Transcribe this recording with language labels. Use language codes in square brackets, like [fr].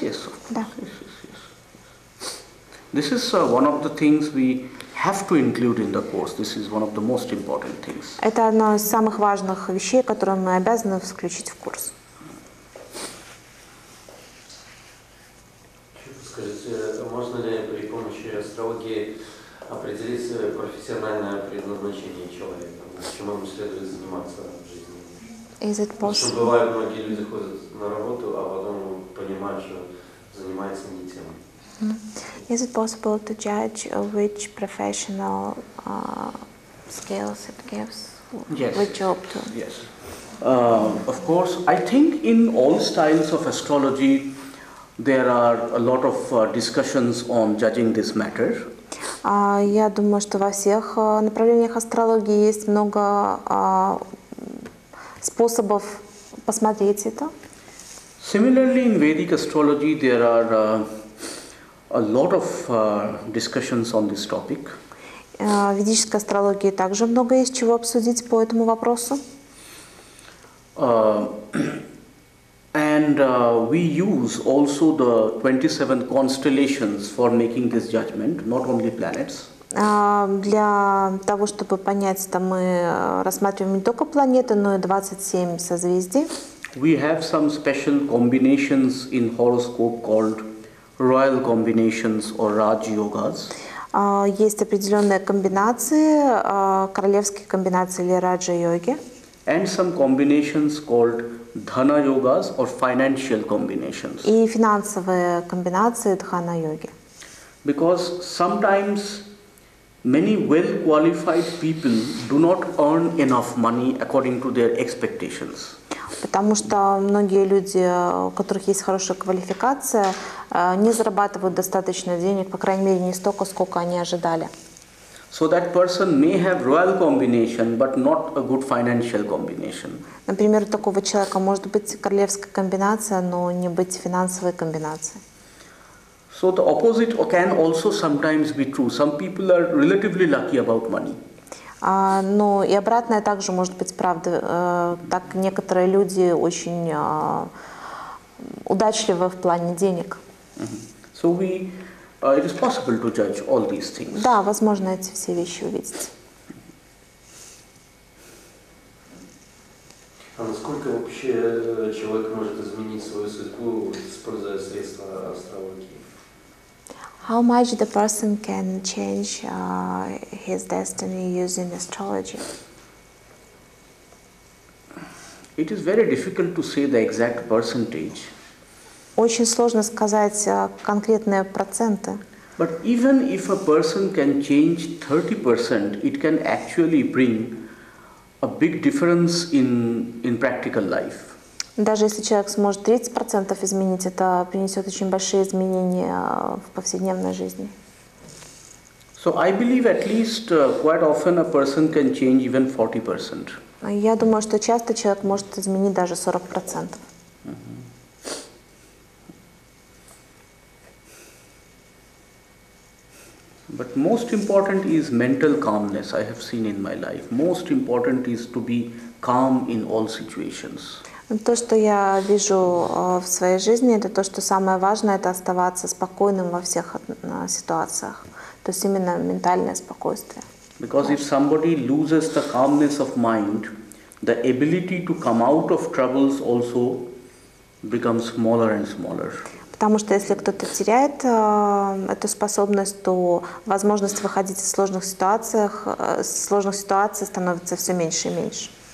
[en] This is one of the things we have to include in the course. This is one of the most important things. [ru] Это одно из самых важных вещей, которые мы обязаны включить в курс. Скажите, можно ли при помощи астрологии определить свое профессиональное предназначение человека? Чем ему следует заниматься? [en] Is it possible? [ru] Что бывает, многие люди ходят на работу, а потом понимают, что занимаются не тем. [en] Is it possible to judge which professional skills it gives? Yes. Which job to? Yes. Of course, I think in all styles of astrology, there are a lot of discussions on judging this matter. [ru] Я думаю, что во всех направлениях астрологии есть много способов посмотреть это. [en] Similarly, in Vedic astrology, there are a lot of discussions on this topic. [ru] В ведической астрологии также много есть чего обсудить по этому вопросу. [en] We use also the 27 constellations for making this judgment, not only planets. [ru] Для того, чтобы понять это, мы рассматриваем не только планеты, но и 27 созвездий. [en] We have some special combinations in horoscope called royal combinations or Raj Yogas. [ru] Есть определенные комбинации, королевские комбинации или Раджа Йоги. [en] And some combinations called Dhana Yogas or financial combinations. [ru] И финансовые комбинации Dhana Yogi. [en] Because sometimes many well-qualified people do not earn enough money according to their expectations. [ru] Потому что многие люди, у которых есть хорошая квалификация, не зарабатывают достаточно денег, по крайней мере, не столько, сколько они ожидали. [en] So that person may have royal combination, but not a good financial combination. [ru] Например, у такого человека может быть королевская комбинация, но не быть финансовой комбинацией. [en] So the opposite can also sometimes be true. Some people are relatively lucky about money. [ru] Ну и обратное также может быть правда. Так некоторые люди очень удачливы в плане денег. [en] So we, it is possible to judge all these things. [ru] Да, возможно эти все вещи увидеть. А насколько вообще человек может изменить свою судьбу, используя средства астрологии? [en] How much the person can change his destiny using astrology? It is very difficult to say the exact percentage. [ru] Очень сложно сказать конкретные проценты. [en] But even if a person can change 30%, it can actually bring a big difference in practical life. [ru] Даже если человек сможет 30% изменить, это принесет очень большие изменения в повседневной жизни. [en] So I believe at least quite often a person can change even 40%. [ru] Я думаю, что часто человек может изменить даже 40%. [en] But most important is mental calmness, I have seen in my life. Most important is to be calm in all situations. [ru] То, что я вижу в своей жизни, это то, что самое важное, это оставаться спокойным во всех ситуациях. То есть именно ментальное спокойствие. [en] Because if somebody loses the calmness of mind, the ability to come out of troubles also becomes smaller and smaller. [ru] Потому что если кто-то теряет эту способность, то возможность выходить из сложных ситуаций, становится все меньше и меньше.